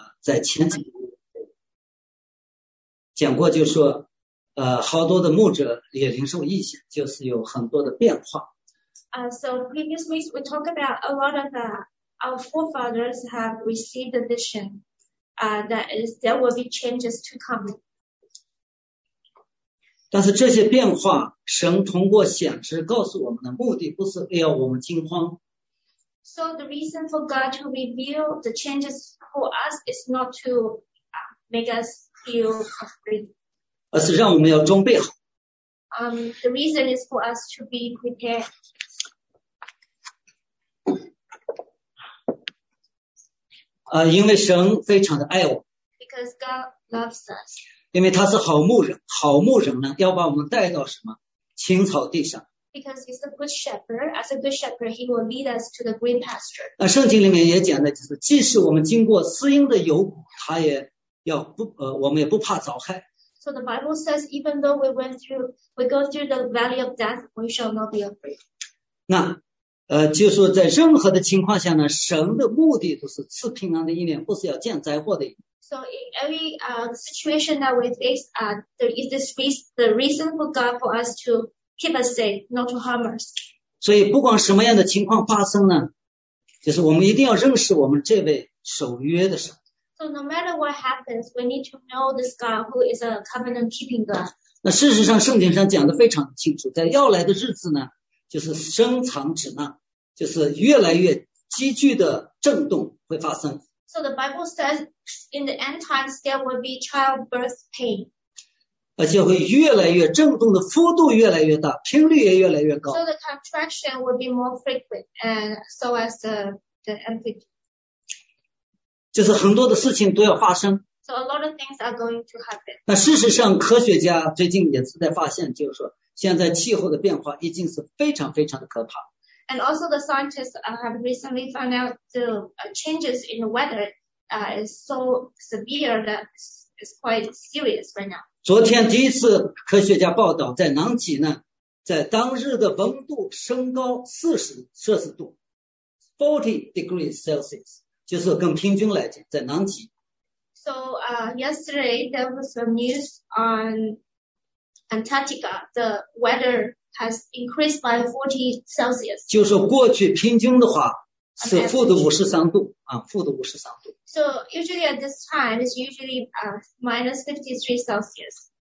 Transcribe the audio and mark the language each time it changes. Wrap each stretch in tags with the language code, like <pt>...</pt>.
<zh>在前几年讲过，就说好多的牧者也领受异象，就是有很多的变化。</zh> <en>So previous weeks we talked about a lot of our forefathers have received a vision, that is there will be changes to come.</en> <zh>但是这些变化，神通过显示告诉我们的目的，不是要我们惊慌。</zh> <en>So the reason for God to reveal the changes for us is not to make us feel afraid.</en> <zh>而是让我们要装备好。</zh> <en>The reason is for us to be prepared.</en> <zh>因为神非常的爱我。</zh> <en>Because God loves us.</en> <zh>因为他是好牧人，好牧人呢，要把我们带到什么？青草地上。</zh> <en>Because he's a good shepherd, as a good shepherd, he will lead us to the green pasture.</en> <zh>圣经里面也讲的，就是即使我们经过嘶鹰的幽谷，他也要不，我们也不怕遭害。</zh> <en>So the Bible says, even though we go through the valley of death, we shall not be afraid.</en> <zh>那，就是在任何的情况下呢，神的目的都是赐平安的意念，不是要降灾祸的意念。</zh> <en>So in every situation that we face, there is this reason, the reason for God for us to keep us safe, not to harm us.</en> <zh>所以，不管什么样的情况发生呢，就是我们一定要认识我们这位守约的神。</zh> <en>So no matter what happens, we need to know this God who is a covenant-keeping God.</en> <zh>那事实上，圣经上讲的非常清楚，在要来的日子呢，就是深藏指纳，就是越来越急剧的震动会发生。</zh> <en>So the Bible says in the end times there will be childbirth pain.</en> <zh>而且会越来越震动的幅度越来越大，频率也越来越高。</zh> <en>So the contraction will be more frequent and so as the amplitude.</en> <zh>就是很多的事情都要发生。</zh> <en>So a lot of things are going to happen.</en> <zh>那事实上，科学家最近也是在发现，就是说现在气候的变化已经是非常非常的可怕。</zh> <en>And also the scientists have recently found out the changes in the weather is so severe that it's quite serious right now.</en> <zh>昨天第一次科学家报道，在南极呢，在当日的温度升高40摄氏度，</zh> <en>40 degrees Celsius，</en> <zh>就是跟平均来讲，在南极。</zh> <en>So yesterday there was some news on Antarctica. The weather has increased by 40 Celsius.</en> <zh>就是过去平均的话是负的五十三度啊，负的五十三度。</zh> <en>So usually at this time it's usually minus 53 Celsius.</en>